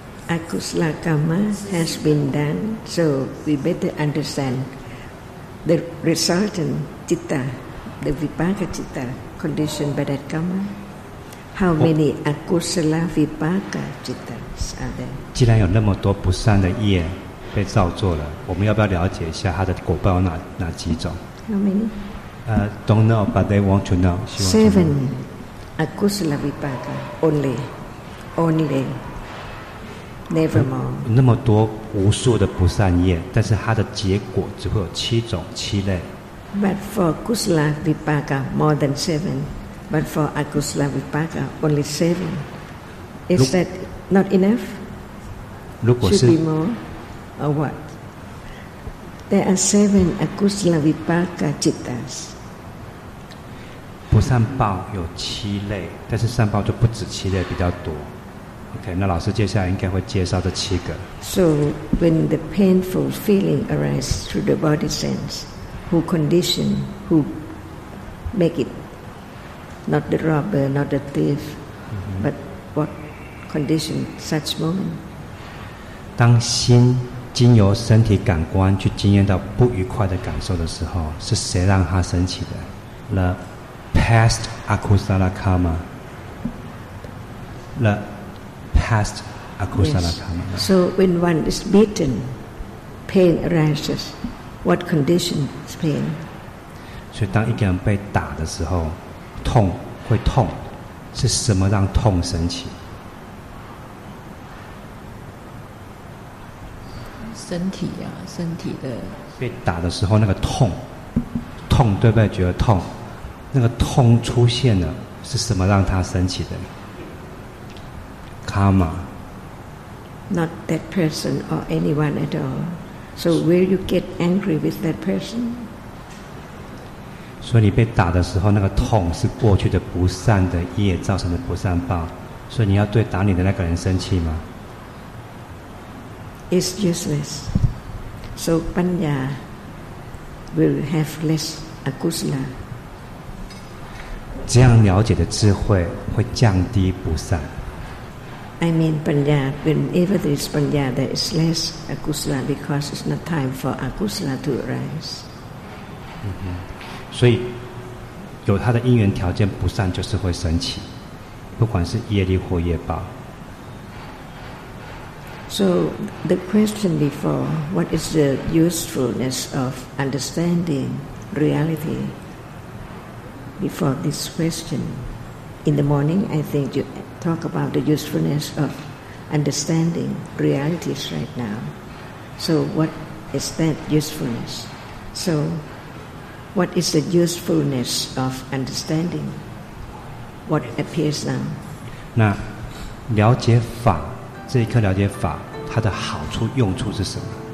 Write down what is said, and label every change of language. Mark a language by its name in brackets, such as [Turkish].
[English] Akusala karma has been done, so we better understand the resultant citta, the vipaka citta conditioned by that karma. How many akusala vipaka cittas are there? [Chinese] 既然有那么多不善的业被造作了， 我们要不要了解一下它的果报有哪几种？ [English] How many? Don't know, but they want to know. Seven Aku sila vipaka only, only, never more. [Chinese] 那么多无数的不善业，但是它的结果只会有七种七类。 [English] But for kusala vipaka more than seven, but for akusala vipaka only seven. Is that not enough? [Chinese] 如果是 [English] should be more or what? There are seven akusala vipaka cittas. [Chinese] 不善报有七类，但是善报就不止七类，比较多。 OK， 那老师接下来应该会介绍这七个。 [English] So when the painful feeling arises through the body sense, who condition, who make it? Not the robber, not the thief,、mm-hmm. but what condition such moment? [Chinese] 当心经由身体感官去经验到不愉快的感受的时候，是谁让它升起的？ [English] Past akusala karma, the past akusala karma. Yes. So when one is beaten, pain arises. What condition is pain? [Chinese] 所以当一个人被打的时候，痛会痛，是什么让痛升起？身体呀、啊，身体的。被打的时候那个痛，痛对不对？觉得痛。那个痛出现了，是什么让它升起的 ？Karma. [English] Not that person or anyone at all. So will you get angry with that person? [Chinese] 所以你被打的时候，那个痛是过去的不善的业造成的不善报，所以你要对打你的那个人生气吗 [English] ？It's useless. So panya will have less akusala. [Chinese] 这样了解的智慧会降低不善。 [English] I mean, panya, whenever there is panya, there is less akusala because it's not time for akusala to arise. 嗯哼， [Chinese] 所以有它的因缘条件，不善就是会升起，不管是业力或业报。 [English] So the question before, what is the usefulness of understanding reality? Before this question, in the morning, I think you talk about the usefulness of understanding realities right now. So what is that usefulness? So what is the usefulness of understanding what appears now? [Chinese] 那了解法，这一刻了解法，它的好处、用处是什么？